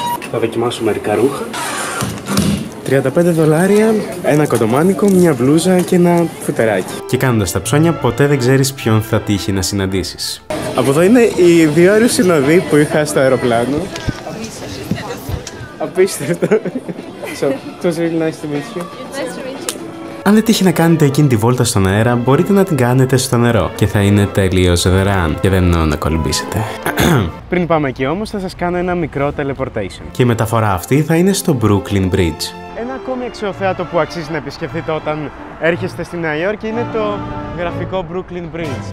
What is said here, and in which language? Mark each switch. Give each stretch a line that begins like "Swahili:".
Greek: Θα δοκιμάσω μερικά ρούχα. $35, ένα κοντομάνικο, μια μπλούζα και ένα φουτεράκι. Και κάνοντας τα ψώνια, ποτέ δεν ξέρεις ποιον θα τύχει να συναντήσεις. Από εδώ είναι η διόρυση νοδή που είχα στο αεροπλάνο. Απίστευτο.
English: So, it was really nice to meet you. Nice to meet you.
Greek: Αν δεν τύχει να κάνετε εκείνη τη βόλτα στον αέρα, μπορείτε να την κάνετε στο νερό και θα είναι τελείως δωρεάν και δεν εννοώ να κολυμπήσετε. Πριν πάμε εκεί όμως, θα σας κάνω ένα μικρό teleportation. Και η μεταφορά αυτή θα είναι στο Brooklyn Bridge. Ένα ακόμη αξιοθέατο που αξίζει να επισκεφτείτε όταν έρχεστε στη Νέα Υόρκη είναι το γραφικό Brooklyn Bridge.